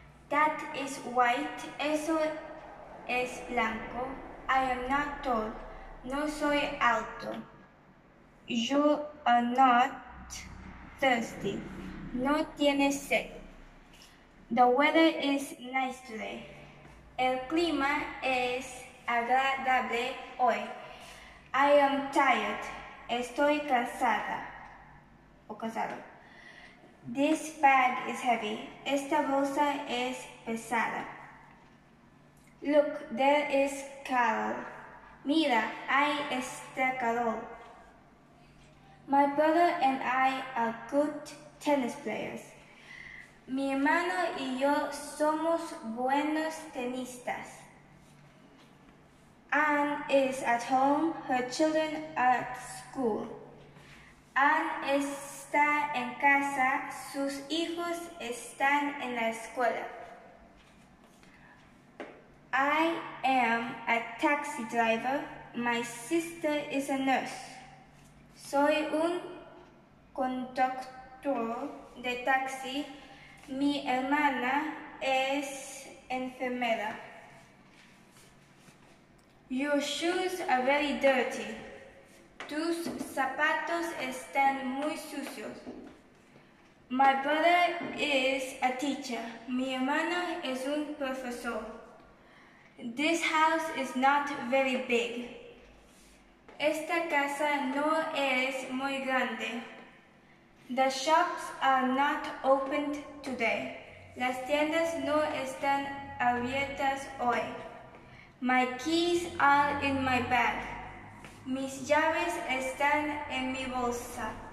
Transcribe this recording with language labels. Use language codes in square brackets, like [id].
[en] That is white. [es] Eso es blanco. [en] I am not tall. [es] No soy alto. [en] You are not thirsty. [es] No tiene sed. [en] The weather is nice today. [es] El clima es agradable hoy. [en] I am tired. [es] Estoy cansada. O cansado. [en] This bag is heavy. [es] Esta bolsa es pesada. [en] Look, there is calor. [es] Mira, hay este calor. [en] My brother and I are good tennis players. [es] Mi hermano y yo somos buenos tenistas. [en] Anne is at home. Her children are at school. [es] Anne está en casa. Sus hijos están en la escuela. [en] I am a taxi driver. My sister is a nurse. [es] Soy un conductor de taxi. Mi hermana es enfermera. [en] Your shoes are very dirty. [es] Tus zapatos están muy sucios. [en] My brother is a teacher. [es] Mi hermano es un profesor. [en] This house is not very big. [es] Esta casa no es muy grande. [en] The shops are not opened today. [es] Las tiendas no están abiertas hoy. [en] My keys are in my bag. [es] Mis llaves están en mi bolsa.